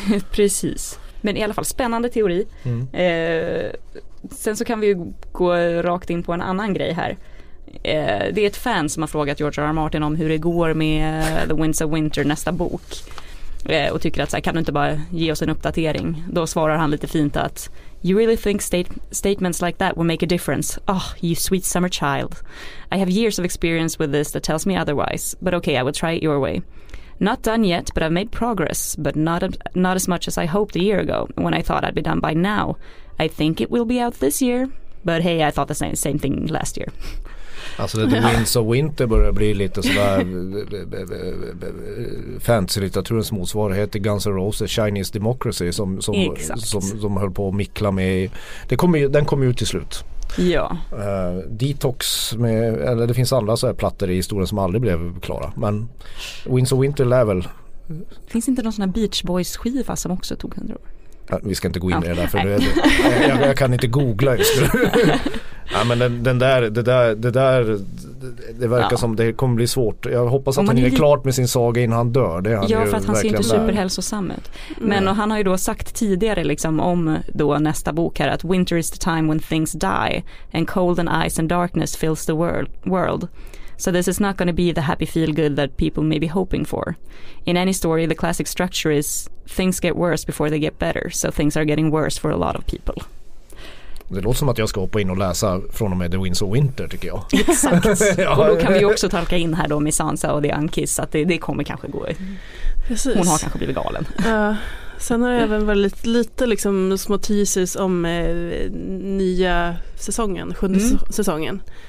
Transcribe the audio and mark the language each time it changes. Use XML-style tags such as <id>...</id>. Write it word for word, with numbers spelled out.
<sv>Precis. Men i alla fall spännande teori. Mm. Eh, sen så kan vi ju gå rakt in på en annan grej här. Eh, det är ett fan som har frågat George R R. Martin om hur det går med The Winds of Winter, nästa bok. Eh, och tycker att så här, kan du inte bara ge oss en uppdatering? Då svarar han lite fint att</sv> <en>You really think state- statements like that will make a difference? Oh, you sweet summer child. I have years of experience with this that tells me otherwise. But okay, I will try it your way. Not done yet, but I've made progress, but not not as much as I hoped a year ago when I thought I'd be done by now. I think it will be out this year, but hey, I thought the same, same thing last year.</en> <sv>Alltså The Winds of Winter börjar bli lite sådär fantasy-litteraturens motsvarighet till Guns N' Roses Chinese Democracy som, som, som, som höll på att mickla med. Det kom, den kom ut till slut. Ja. Uh, Detox med, eller det finns andra så här plattor i historien som aldrig blev klara, men Winds of Winter level. Finns inte någon sån här Beach Boys skiva som också tog hundra år? Uh, vi ska inte gå in ja. i det där för det, det, jag, jag kan inte googla just nu. Ja, men den, den där, det där, det där det verkar ja. som det kommer bli svårt. Jag hoppas att han är li- klart med sin saga innan han dör. Det han ja, ju för att han ser inte superhälsosam ut. Men mm. och han har ju då sagt tidigare liksom, om då nästa bok här att</sv> <en>winter is the time when things die and cold and ice and darkness fills the world. So this is not going to be the happy feel good that people may be hoping for. In any story, the classic structure is things get worse before they get better. So things are getting worse for a lot of people.</en> <sv>Det låter som att jag ska hoppa in och läsa från och med The Winds of Winter tycker jag. Exakt. Ja. Och då kan vi också tolka in här då med Sansa och The Ankiss att det, det kommer kanske gå. Precis. Hon har kanske blivit galen. Ja. Sen har det även varit lite, lite liksom små teasers om eh, nya säsongen, sjunde mm. säsongen.</sv>